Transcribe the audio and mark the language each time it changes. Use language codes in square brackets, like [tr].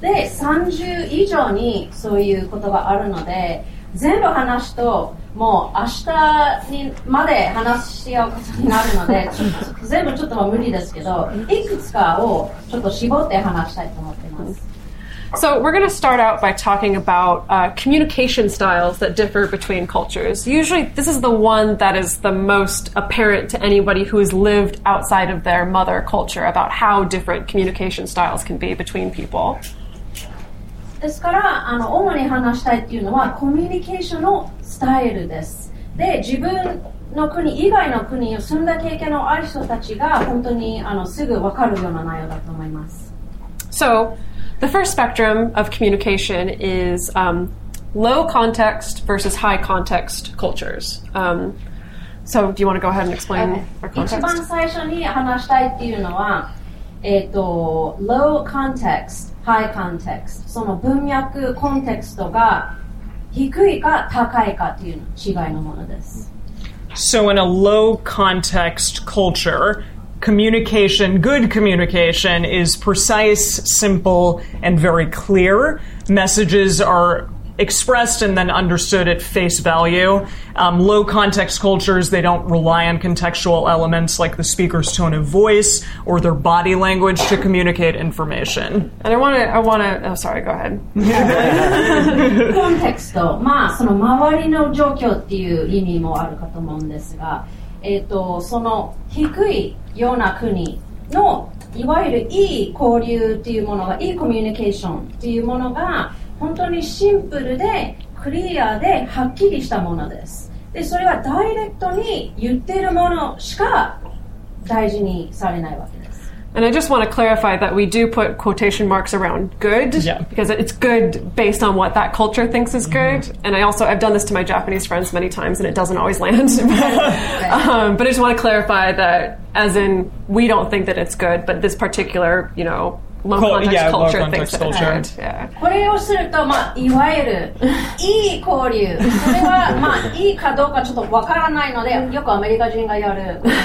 [ja] で、30以上にそういうことがあるので、全部話すともう明日にまで話し合うことになるので、全部ちょっと無理ですけど、いくつかをちょっと絞って話したいと思ってます。 [en] So we're going to start out by talking about communication styles that differ between cultures. Usually this is the one that is the most apparent to anybody who has lived outside of their mother culture about how different communication styles can be between people. [ja] ですから、主に話したいっていうのはコミュニケーションのスタイルです。で、自分の国以外の国を住んだ経験のある人たちが本当にすぐ分かるような内容だと思います。 [en] So,the first spectrum of communication is low context versus high context cultures. So do you want to go ahead and explain our context? [ja] 一番最初に話したいっていうのは、low context, high context. その文脈、コンテクストが低いか高いかっていう違いのものです。 [en] So in a low context culture,communication, good communication, is precise, simple, and very clear. Messages are expressed and then understood at face value. Low context cultures, they don't rely on contextual elements like the speaker's tone of voice or their body language to communicate information. And I want to, oh, sorry, go ahead. [ja] Contexto, まあ、その周りの状況っていう意味もあるかと思うんですが、その低いような国のいわゆるいい交流っていうものが、いいコミュニケーションっていうものが本当にシンプルでクリアではっきりしたものです。で、それはダイレクトに言っているものしか大事にされないわけです。 [en] And I just want to clarify that we do put quotation marks around good, because it's good based on what that culture thinks is good. And I've done this to my Japanese friends many times, and it doesn't always land. but I just want to clarify that, as in, we don't think that it's good, but this particular, low-context culture thinks it's good. [ja] これをすると、いわゆるいい交流。それは、いいかどうかちょっとわからないので、よくアメリカ人がやる。